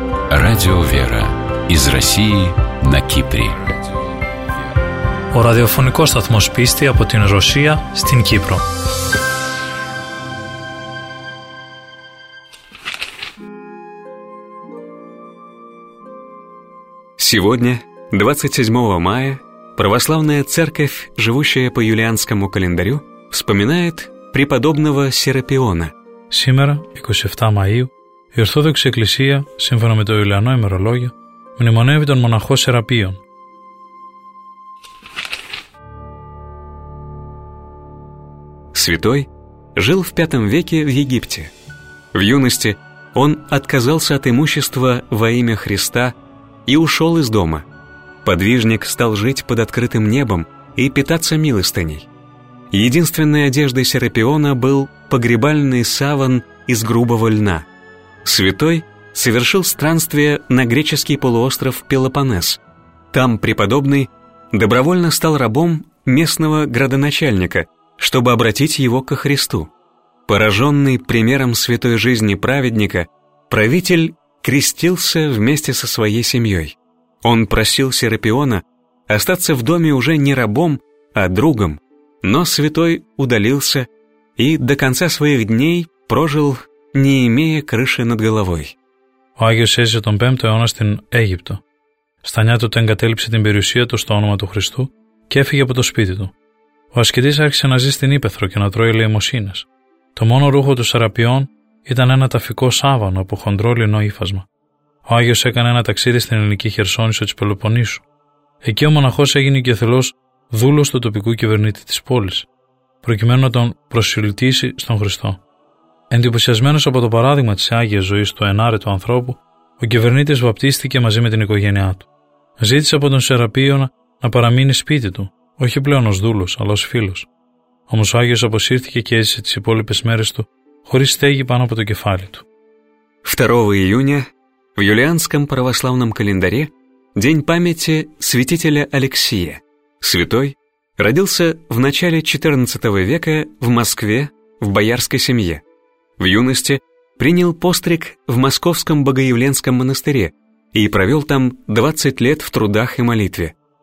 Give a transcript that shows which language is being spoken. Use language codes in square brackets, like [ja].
[ru] Радио «Вера» из России на Кипре. [el] Ο ραδιοφωνικός σταθμός πίστη από την Ρωσία στην Κύπρο. [ru] Сегодня, 27 мая, Православная Церковь, живущая по юлианскому календарю, вспоминает преподобного Серапиона. Сегодня, 27 мая, [el] η Ορθόδοξη Εκκλησία, σύμφωνα με το Ιουλιανό ημερολόγιο, μνημονεύει τον μοναχό Σεραπείον. [ru] Святой жил в V веке в Египте. В юности он отказался от имущества во имя Христа и ушел из дома. Подвижник стал жить под открытым небом и питаться милостыней. Единственной одеждой Серапиона был погребальный саван из грубого льна. Святой совершил странствие на греческий полуостров Пелопоннес. Там преподобный добровольно стал рабом местного градоначальника, чтобы обратить его ко Христу. Пораженный примером святой жизни праведника, правитель крестился вместе со своей семьей. Он просил Серапиона остаться в доме уже не рабом, а другом, но святой удалился и до конца своих дней прожил, не имея крыши над головой. [el] Ο Άγιος έζησε τον 5ο αιώνα στην Αίγυπτο. Στα νιά του εγκατέλειψε την περιουσία του στο όνομα του Χριστού και έφυγε από το σπίτι του. Ο ασκητής άρχισε να ζει στην Ήπεθρο και να τρώει ελεημοσύνες. Το μόνο ρούχο του Σεραπιών ήταν ένα ταφικό σάβανο από χοντρό λινό ύφασμα. Ο Άγιος έκανε ένα ταξίδι στην ελληνική Χερσόνησο της Πελοποννήσου. Εκεί ο μοναχός έγινε και θελός δούλος του τοπικού κυβερνήτη της πόλης, προκειμένου να τον προσελκύσει στον Χριστό. Εντυπωσιασμένος από το παράδειγμα της Άγιας Ζωής του ενάρετου ανθρώπου, ο κυβερνήτης βαπτίστηκε μαζί με την οικογένειά του. Ζήτησε από τον Σεραπείον να παραμείνει σπίτι του, όχι πλέον ως δούλος, αλλά ως φίλος. Όμως ο Άγιος αποσύρθηκε και έζησε τις υπόλοιπες μέρες του χωρίς στέγη πάνω από το κεφάλι του. 2 Ιούνια, [ru] в юлианском православном календаре, день памяти святителя Алексия. Святой родился в начале 14 века в Москве в боярской семье. В юности принял постриг в Московском Богоявленском монастыре и провел там 20 лет в трудах и молитве.